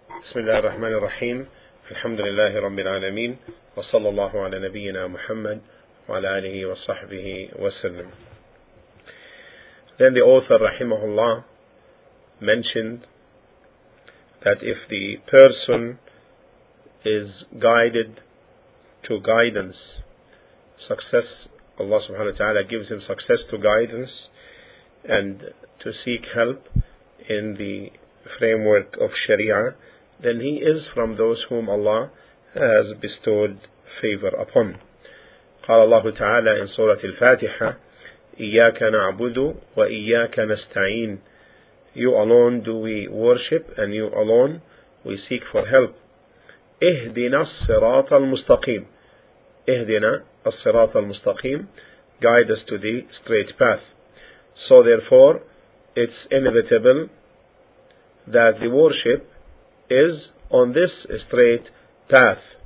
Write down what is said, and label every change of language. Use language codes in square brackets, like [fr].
[ar] بسم الله الرحمن الرحيم، الحمد لله رب العالمين، وصلى الله على نبينا محمد وعلى آله وصحبه وسلم. [en] Then the author [ar] رحمه الله [en] mentioned that if the person is guided to guidance, success, Allah subhanahu wa ta'ala gives him success to guidance and to seek help in the framework of Sharia, then he is from those whom Allah has bestowed favor upon. [ar] قال الله تعالى [en] in Surah Al-Fatiha, [ar] إياك نعبد وإياك نستعين. [en] You alone do we worship and you alone we seek for help. [ar] إهدنا الصراط المستقيم. إهدنا الصراط المستقيم. [en] Guide us to the straight path. So therefore, it's inevitable that the worship is on this straight path.